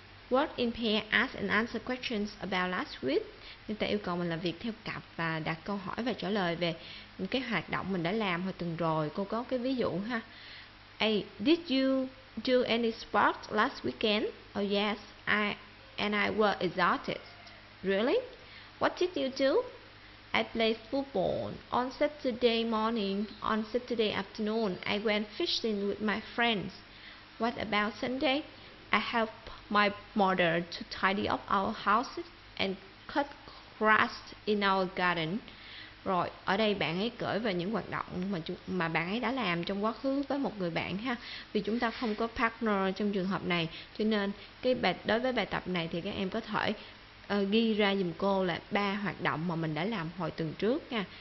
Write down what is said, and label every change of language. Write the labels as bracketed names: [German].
[English] Work in pair, ask and answer questions about last week. [Vietnamese] Người ta yêu cầu mình làm việc theo cặp và đặt câu hỏi và trả lời về những cái hoạt động mình đã làm hồi tuần rồi. Cô có cái ví dụ ha. [English] A, did you do any sports last weekend? Oh yes, I were exhausted. Really? What did you do? I played football on Saturday morning. On Saturday afternoon, I went fishing with my friends. What about Sunday? I helped my mother to tidy up our house and cut grass in our garden. [Vietnamese] Rồi, ở đây bạn ấy kể về những hoạt động mà bạn ấy đã làm trong quá khứ với một người bạn ha. Vì chúng ta không có partner trong trường hợp này, cho nên đối với bài tập này thì các em có thể ghi ra giùm cô là ba hoạt động mà mình đã làm hồi tuần trước nha.